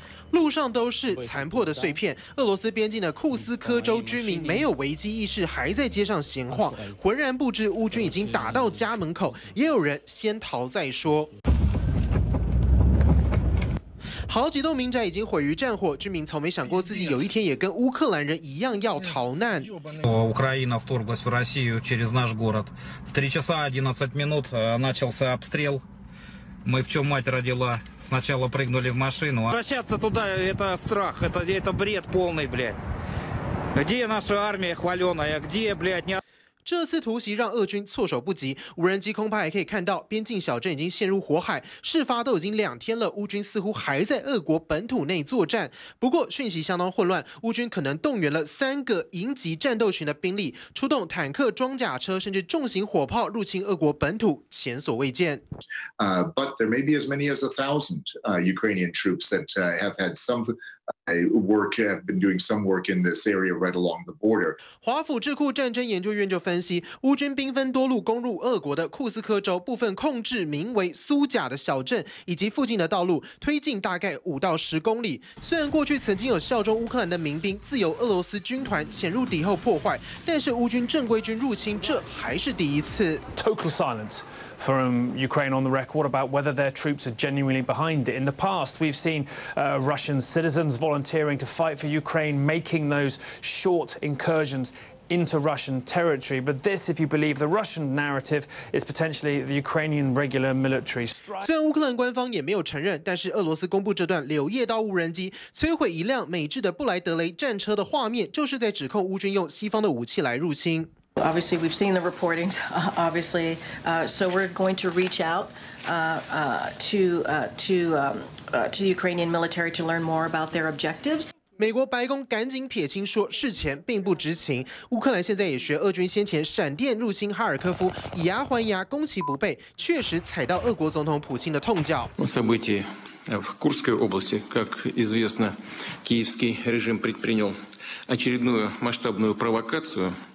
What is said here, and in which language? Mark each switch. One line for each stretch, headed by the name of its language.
Chinese: 路上都是残破的碎片，俄罗斯边境的库斯科州居民没有危机意识，还在街上闲晃，浑然不知乌军已经打到家门口，也有人先逃再说。好几栋民宅已经毁于战火，居民从没想过自己有一天也跟乌克兰人一样要逃难。
Russian: Украина вторглась в Россию через наш город. В 3:11 начался обстрел. Мы в чем мать родила? Сначала прыгнули в машину. Возвращаться туда – это страх, это бред полный, блядь. Где наша армия хваленая? Где, блядь, не...
Chinese: 这次突袭让俄军措手不及，无人机空拍还可以看到边境小镇已经陷入火海，事发都已经两天了，乌军似乎还在俄国本土内作战。不过讯息相当混乱，乌军可能动员了三个营级战斗群的兵力，出动坦克、装甲车甚至重型火炮入侵俄国本土，前所未见。
English: But there may be as many as 1,000 Ukrainian troops that have had some. I've been doing some work in this area right along the border.
Chinese: 华府智库战争研究院就分析，乌军兵分多路攻入俄国的库斯科州部分控制名为苏甲的小镇以及附近的道路，推进大概5到10公里。虽然过去曾经有效忠乌克兰的民兵自由俄罗斯军团潜入敌后破坏，但是乌军正规军入侵这还是第一次。
English: Total silence from Ukraine on the record about whether their troops are genuinely behind it. In the past, we've seen Russian citizens volunteering to fight for Ukraine, making those short incursions into Russian territory. But this, if you believe the Russian narrative, is potentially the Ukrainian regular military strike.
Chinese: 虽然乌克兰官方也没有承认，但是俄罗斯公布这段柳叶刀无人机摧毁一辆美制的布莱德雷战车的画面，就是在指控乌军用西方的武器来入侵。
English: Obviously, we've seen the reportings, obviously. So we're going to reach out to Ukrainian military to learn more about their objectives.
Chinese: 美国白宫赶紧撇清说事前并不知情。乌克兰现在也学俄军先前闪电入侵哈尔科夫，以牙还牙，攻其不备，确实踩到俄国总统普京的痛脚。
Russian: События в Курской области, как известно, киевский режим предпринял очередную масштабную провокацию.